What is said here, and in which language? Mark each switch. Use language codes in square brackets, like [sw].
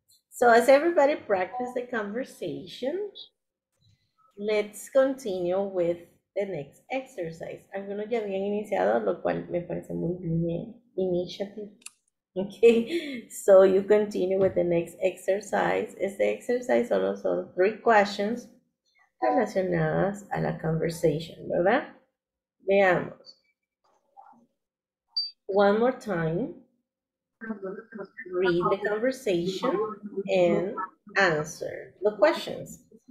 [en] So as everybody practices the conversation, let's continue with the next exercise. [es] Algunos ya habían iniciado, lo cual me parece muy bien. [en] Initiative. Okay, so you continue with the next exercise. [es] Este exercise solo son 3 questions relacionadas a la conversation, ¿verdad? Veamos. [en] One more time. Read the conversation and answer the questions.